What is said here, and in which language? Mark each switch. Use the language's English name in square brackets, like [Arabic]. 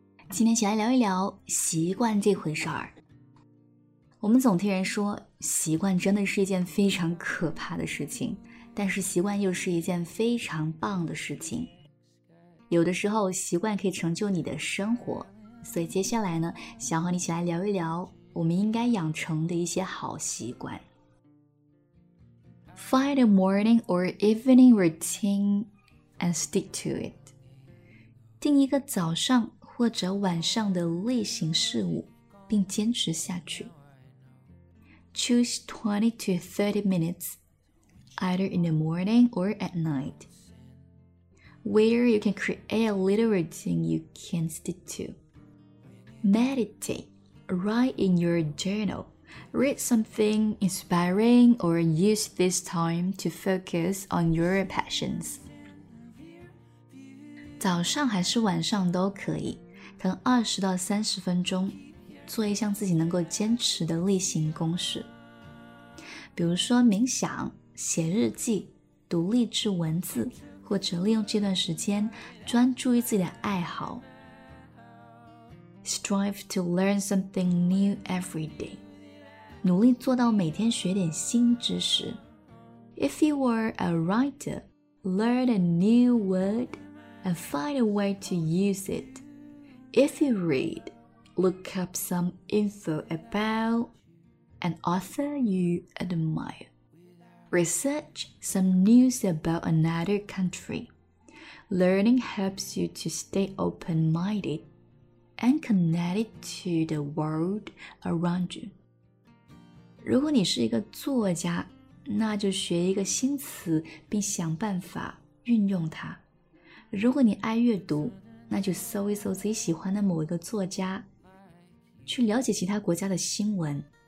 [Chinese] 今天起来聊一聊习惯这回事儿。我们总听人说习惯真的是一件非常可怕的事情，但是习惯又是一件非常棒的事情。有的时候习惯可以成就你的生活，所以接下来呢，想和你一起来聊一聊我们应该养成的一些好习惯。 [English] Find a morning or evening routine and stick to it. [Chinese] 定一个早上或者晚上的例行事务并坚持下去。 [English] Choose 20 to 30 minutes either in the morning or at night where you can create a little routine you can stick toMeditate, write in your journal, read something inspiring or use this time to focus on your passions. [Chinese] 早上还是晚上都可以，可能20到30分钟，做一项自己能够坚持的例行公事。比如说冥想、写日记、读励志文字，或者利用这段时间专注于自己的爱好。 [English] Strive to learn something new every day. [Chinese] 努力做到每天学点新知识。 [English] If you are a writer, learn a new word and find a way to use it. If you read, look up some info about an author you admire. Research some news about another country. Learning helps you to stay open-mindedAnd connected to the world around you. [Chinese] 如果你是一个作家，那就学一个新词并想办法运用它。如果你爱阅读，那就搜一搜自己喜欢的某一个作家，去了解其他国家的新闻。